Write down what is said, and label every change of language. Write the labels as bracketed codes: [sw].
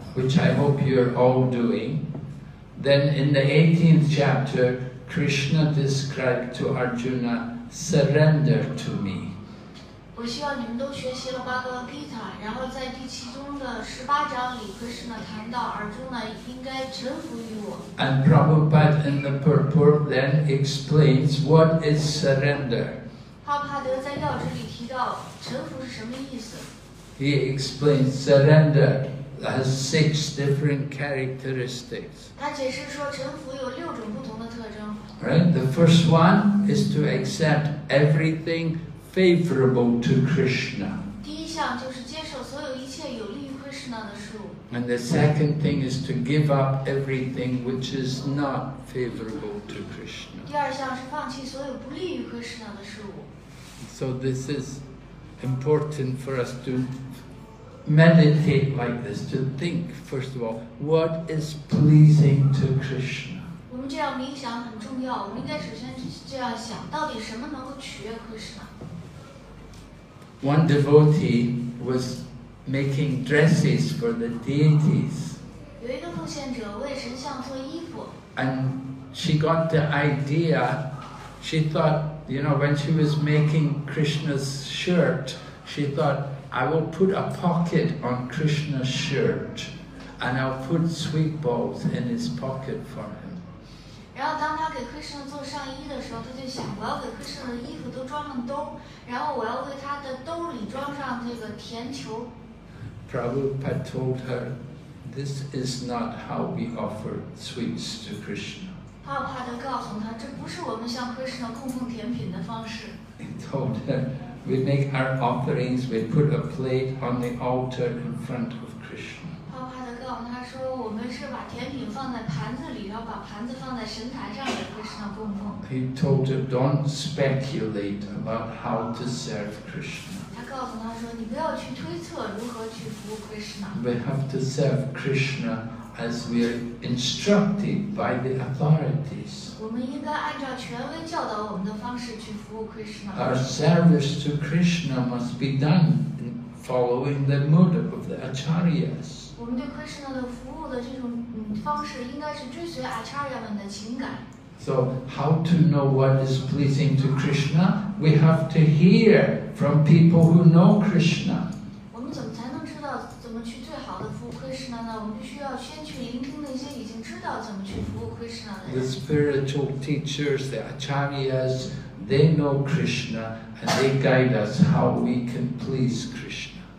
[en] Which I hope you're all doing, then in the 18th chapter, Krishna described to Arjuna, surrender to me. [zh] 我希望你们都学习了 Bhagavad Gita, 然后在第七中的十八章里 ,Krishna 谈到 Arjuna 应该臣服于我。 [en] And Prabhupada in the purport then explains what is surrender. [zh] 帕帕德在要旨里提到臣服是什么意思。 [en] He explains surrender. Has six different characteristics. [zh] 他解释说臣服有六种不同的特征。 [en] Right, the first one is to accept everything favorable to Krishna. [zh] 第一项就是接受所有一切有利于 Krishna 的事物。 [en] And the second thing is to give up everything which is not favorable to Krishna. [zh] 第二项是放弃所有不利于 Krishna 的事物。 [en] So this is important for us to. Meditate like this, to think, first of all, what is pleasing to Krishna? [zh] 我们这样冥想很重要，我们应该首先这样想，到底什么能够取悦 Krishna? [en] One devotee was making dresses for the deities. [zh] 有一个奉献者为神像做衣服。 [en] And she got the idea, she thought, you know, when she was making Krishna's shirt, she thought,I will put a pocket on Krishna's shirt and I'll put sweet balls in his pocket for him. [zh] 然后当他给 Krishna 做上衣的时候他就想我要给 Krishna 的衣服都装上兜然后我要为他的兜里装上这个甜球。 [en] Prabhupada told her, this is not how we offer sweets to Krishna. [zh] 帕帕德告诉他这不是我们向 Krishna 供奉甜品的方式。 [en] He told her,We make our offerings, we put a plate on the altar in front of Krishna. [zh] 帕帕德告诉他说我们是把甜品放在盘子里然后把盘子放在神坛上给 Krishna 供奉。 [en] He told her, don't speculate about how to serve Krishna. [zh] 他告诉他说你不要去推测如何去服务 Krishna. [en] We have to serve Krishna as we are instructed by the authorities. [zh] 我们应该按照权威教导我们的方式去服务 Krishna. [en] Our service to Krishna must be done following the mode of the Acharyas. [zh] 我们对 Krishna 的服务的这种方式应该是追随 Acharya 们的情感。 [en] So, how to know what is pleasing to Krishna? We have to hear from people who know Krishna. [zh] 我们怎么才能知道怎么去最好的服务 Krishna 呢？我们就需要先去聆听那些已经知道怎么去服务。 [en] The spiritual teachers, the acharyas, they know Krishna and they guide us how we can please Krishna.